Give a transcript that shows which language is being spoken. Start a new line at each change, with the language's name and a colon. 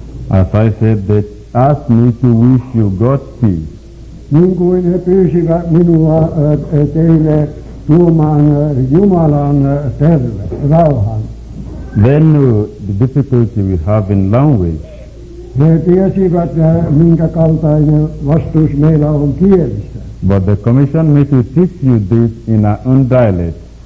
English: As I said, they asked me to wish you Godspeed.
Finnish: Niin kuin he pyysivät minua teille tuomaan Jumalan terve, rauhan.
English: They knew the difficulty we have in language.
Finnish: He tiesivät, minkä kaltainen vastuus meillä on kielissä.
English: But they commissioned me to teach you this in our own dialect.